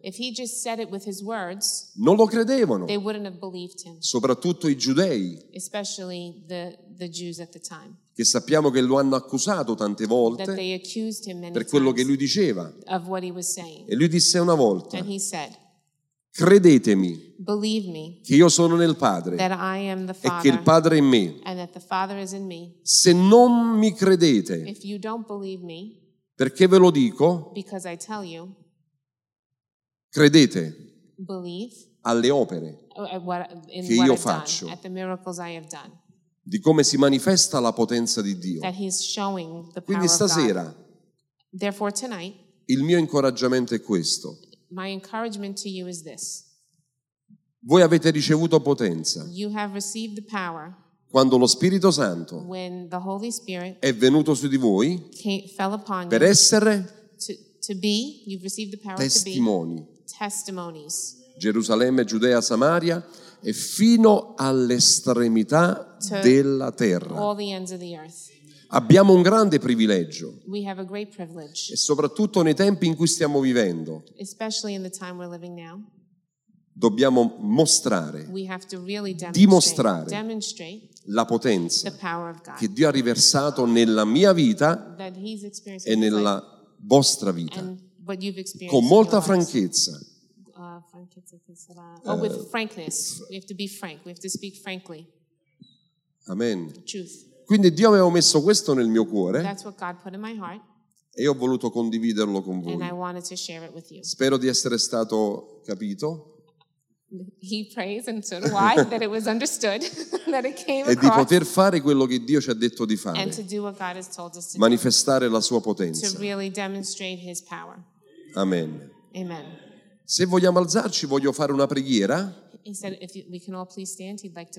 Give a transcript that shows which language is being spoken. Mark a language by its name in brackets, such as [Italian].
[English] if he just said it with his words, [Italian] non lo credevano. [English] They wouldn't have believed him. [Italian] Soprattutto i giudei. [English] Especially the Jews at the time. [Italian] Che sappiamo che lo hanno accusato tante volte. [English] That they accused him many [Italian] per quello [English] times [Italian] che lui diceva. [English] Of what he was saying. [Italian] E lui disse una volta. [English] And he said, [Italian] credetemi. [English] Believe me. [Italian] Che io sono nel Padre. [English] That I am the Father. [Italian] E che il Padre è in me. [English] And that the Father is in me. [Italian] Se non mi credete. [English] If you don't believe me. [Italian] Perché ve lo dico. [English] Because I tell you. [Italian] Credete [English] believe [Italian] alle opere [English] what, [Italian] che io faccio, [English] done, [Italian] di come si manifesta la potenza di Dio. Quindi stasera, [English] tonight, [Italian] il mio incoraggiamento è questo. [English] My encouragement to you is this. [Italian] Voi avete ricevuto potenza. [English] You have received the power [Italian] quando lo Spirito Santo [English] when the Holy Spirit [Italian] è venuto su di voi [English] fell upon [Italian] per [English] you [Italian] essere [English] to be, you've received the power [Italian] testimoni. [English] To be. Testimonies. [Italian] Gerusalemme, Giudea, Samaria e fino all'estremità della terra. [English] All the ends of the earth. [Italian] Abbiamo un grande privilegio. [English] We have a great privilege. [Italian] E soprattutto nei tempi in cui stiamo vivendo. [English] Especially in the time we're living now. [Italian] Dobbiamo mostrare. [English] We have to really demonstrate, [Italian] dimostrare [English] demonstrate [Italian] la potenza [English] the power of God [Italian] che Dio ha riversato nella mia vita [English] that he's experienced [Italian] e nella [English] life [Italian] vostra vita. [English] And but you've experienced [Italian] con molta franchezza. [English] Oh, with frankness. We have to be frank. We have to speak frankly. Amen. Truth. [Italian] Quindi Dio aveva messo questo nel mio cuore. [English] That's what God put in my heart. [Italian] E io ho voluto condividerlo con voi. [English] And I wanted to share it with you. [Italian] Spero di essere stato capito. [English] He prays and so do I that it was understood that it came [Italian] e di poter fare quello che Dio ci ha detto di fare [English] and to do what God has told us to [Italian] manifestare [English] do, [Italian] la sua potenza [English] to really demonstrate his power. Amen. Amen. [Italian] Se vogliamo alzarci voglio fare una preghiera. [English] He said if we can all please stand he'd like to